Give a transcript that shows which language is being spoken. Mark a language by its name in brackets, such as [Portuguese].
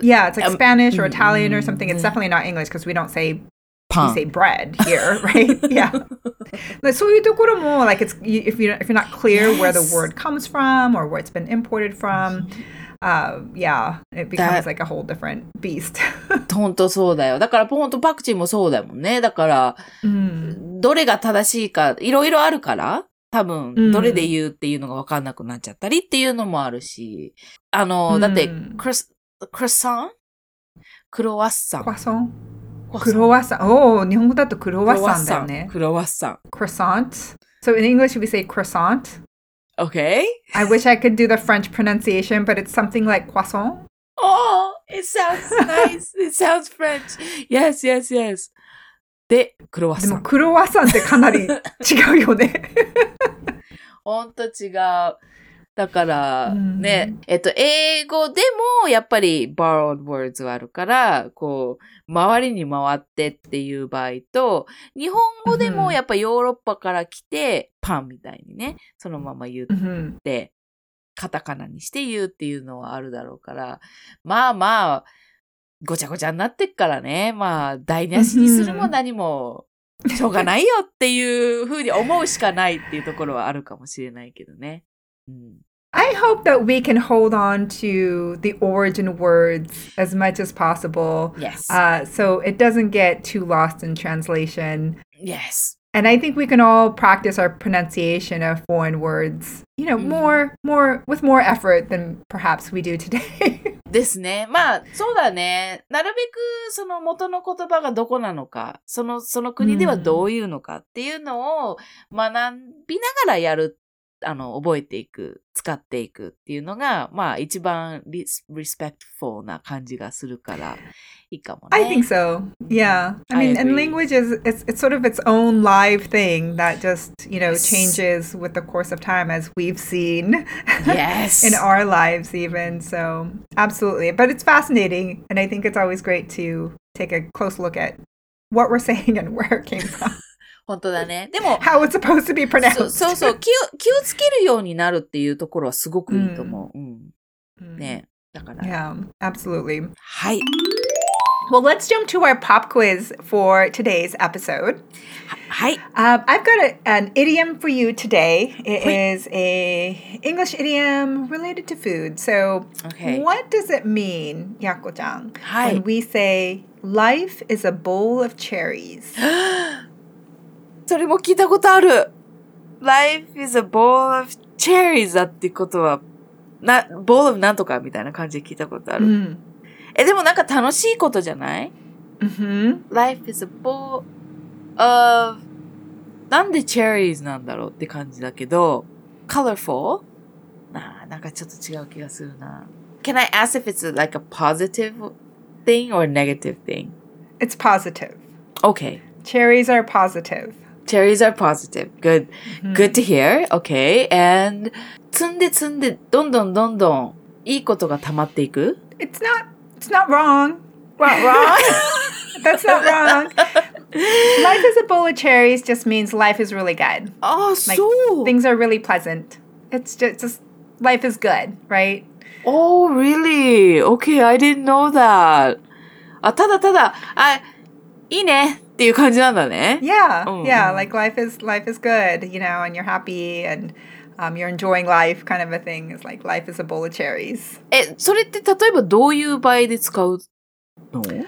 [English] Yeah, it's like Spanish or Italian or something. It's definitely not English because we don't say pan. We say bread here, right? Yeah. Like, so you do kuro mo, like, it's, if you're not clear where the word comes from or where it's been imported from. Yeah, it becomes that, like a whole different beast. [Japanese] 本当そうだよ。だからポンとパクチーもそうだもんね。だから、 mm. どれが正しいかいろいろあるから、多分どれで言うっていうのが分かんなくなっちゃったりっていうのもあるし、あの、mm. だってクロワッサンおお、日本語だとクロワッサンだよね。クロワッサン。 [English] クロワッサン。So in English we say croissant. Okay. I wish I could do the French pronunciation, but it's something like croissant. Oh, it sounds nice. It sounds French. Yes, yes, yes. [Japanese] で、クロワッサン。でも、クロワッサンってかなり違うよね。本当違う。だから、ね、英語でもやっぱり [English] borrowed words [Japanese] はあるから、こう、周りに回ってっていう場合と、日本語でもやっぱヨーロッパから来て、パンみたいにね、そのまま言って、カタカナにして言うっていうのはあるだろうから、まあまあ、ごちゃごちゃになってっからね、まあ、台無しにするも何も、しょうがないよっていうふうに思うしかないっていうところはあるかもしれないけどね。 [English] I hope that we can hold on to the origin words as much as possible. Yes. So it doesn't get too lost in translation. Yes. And I think we can all practice our pronunciation of foreign words, you know, more with more effort than perhaps we do today. [Japanese] ですね。まあ、そうだね。なるべくその元の言葉がどこなのか、その国ではどういうのかっていうのを学びながらやる。あの覚えていく使っていくっていうのがまあ一番 respectful な感じがするからいいかもね。 [English] I think so. Yeah. I mean, and language is it's sort of its own live thing that just you know changes with the course of time as we've seen. Yes. In our lives, even so, absolutely. But it's fascinating, and I think it's always great to take a close look at what we're saying and where it came from. [Japanese] 本当だね。でも、 [English] How it's supposed to be pronounced. [Japanese] そう、気をつけるようになるっていうところはすごくいいと思う。ね。だから。 [English] Yeah, absolutely. [Japanese] はい。 [English] Well, let's jump to our pop quiz for today's episode. はい。 I've got an idiom for you today. It is a English idiom related to food. So, okay. What does it mean, Yako-chan, [Japanese] はい、 [English] when we say, life is a bowl of cherries? [Japanese] それも聞いたことある。 [English] Life is a bowl of cherries [Japanese] だってことは、bowl of なんとかみたいな感じで聞いたことある。うん、でもなんか楽しいことじゃない、うん、 ?Life is a bowl of... なんで cherries なんだろうって感じだけど、colorful? なんかちょっと違う気がするな。 [English] Can I ask if it's like a positive thing or a negative thing? It's positive. Okay. Cherries are positive. Cherries are positive. Good. Good to hear. Okay. [Japanese] And, 積んで積んで、どんどんどんどん、いいことが溜まっていく? [English] It's not wrong. What, wrong? That's not wrong. Life is a bowl of cherries just means life is really good. Oh, like, so. Things are really pleasant. It's just life is good, right? Oh, really? Okay, I didn't know that. [Japanese] ただ、いいね。っていう感じなんだね。 [English] Yeah, yeah, like life is good, you know, and you're happy and you're enjoying life kind of a thing. It's like life is a bowl of cherries. [Japanese] それって例えばどういう場合で使うの?